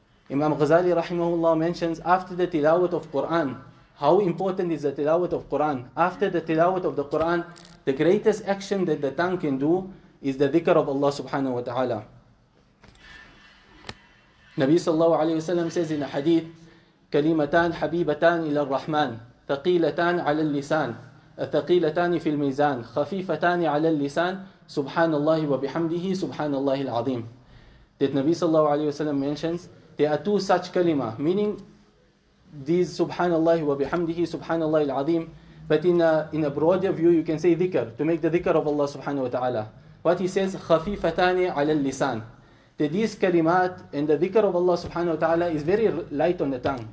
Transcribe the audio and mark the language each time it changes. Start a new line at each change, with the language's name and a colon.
English: Imam Ghazali rahimahullah mentions, after the tilawat of Quran, how important is the tilawat of Quran? After the tilawat of the Quran, the greatest action that the tongue can do is the dhikr of Allah subhanahu wa ta'ala. Nabi sallallahu alayhi wa sallam says in a hadith,
Arabic: كلمتان حبيبتان إلى الرحمن, ثقيلتان على اللسان، ثقيلتان في الميزان، خفيفتان على اللسان، سبحان الله وبحمده سبحان الله العظيم.
English: That Nabi sallallahu alayhi wa sallam mentions, there are two such kalima, meaning these subhanallah wa bihamdihi subhanallah al-azim, but in a broader view you can say dhikr, to make the dhikr of Allah subhanahu wa ta'ala. What he says,
Arabic: khafifatani ala al-lisan.
English: That these kalimat and the dhikr of Allah subhanahu wa ta'ala is very light on the tongue.